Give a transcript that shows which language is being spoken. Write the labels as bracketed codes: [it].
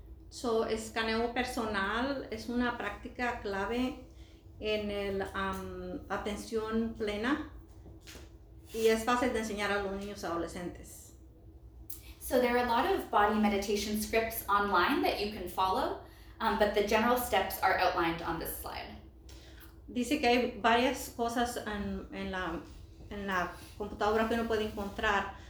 [es] So, escaneo personal es una práctica clave en el atención plena y es fácil de enseñar a los niños adolescentes. [en] So, there are a lot of body meditation scripts online that you can follow, but the general steps are outlined on this slide. [es] Dice que hay varias cosas en la computadora que uno puede encontrar.